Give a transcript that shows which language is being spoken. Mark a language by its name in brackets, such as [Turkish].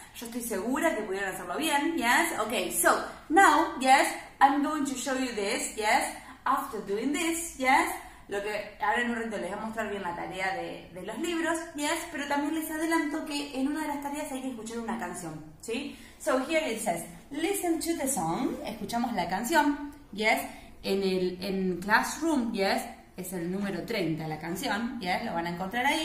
[Spanish] Yo estoy segura que pudieron hacerlo bien, yes? [English] Okay, so, now, yes, I'm going to show you this, yes? After doing this, yes? [Spanish] Lo que ahora en un rato les voy a mostrar bien la tarea de los libros, yes? Pero también les adelanto que en una de las tareas hay que escuchar una canción, ¿sí? [English] So, here it says, listen to the song, [Spanish] escuchamos la canción, [English] yes? [Spanish] En classroom, yes? Es el número 30 la canción, yes? Lo van a encontrar ahí.